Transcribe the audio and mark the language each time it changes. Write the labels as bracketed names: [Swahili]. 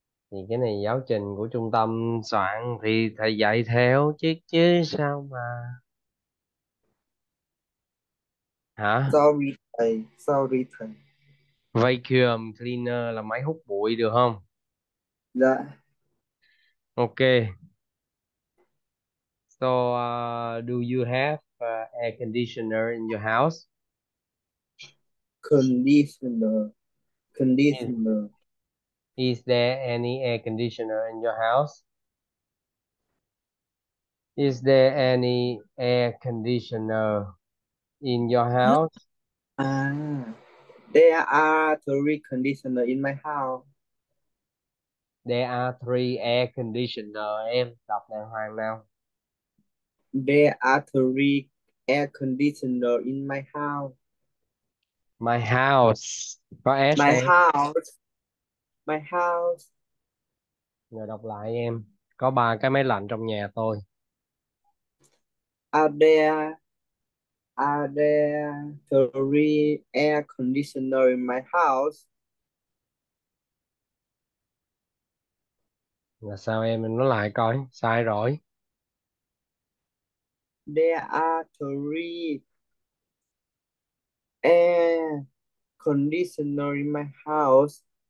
[Vietnamese] Thì cái này giáo trình của trung tâm soạn thì thầy dạy theo chứ chứ sao mà. Sorry thầy, sorry thầy. Hả? Vacuum cleaner là máy hút bụi, được không? Dạ. [English] Ok. So do you have air conditioner in your Conditioner, house? Yes. conditioner. Is there any air conditioner in your house? Is there any air conditioner in your house? There are three conditioner in my house. There are three air conditioner. [Vietnamese] Em đọc đàng hoàng nào. [English] There are three air conditioner in my house. My house. [Vietnamese] Có S không? [English] My house. [Vietnamese] Rồi đọc lại em. Có ba cái máy lạnh trong nhà tôi. [English] Are there three air conditioner in my house? [Vietnamese] Là sao em nói lại coi. Sai rồi. [English] There are three air conditioner in my house.